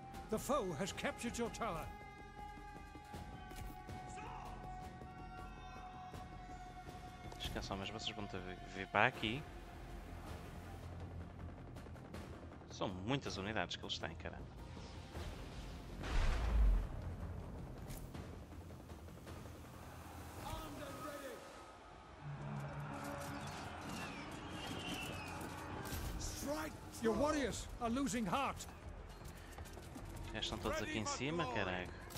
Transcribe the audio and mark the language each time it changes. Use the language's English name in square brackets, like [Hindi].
[English] The foe has captured your tower. [Portuguese] Descansam, mas vocês vão ter que vir para aqui. São muitas unidades que eles têm, cara. [English] Strike! Your warriors are losing heart. [Portuguese] Já estão todos aqui em cima, caralho.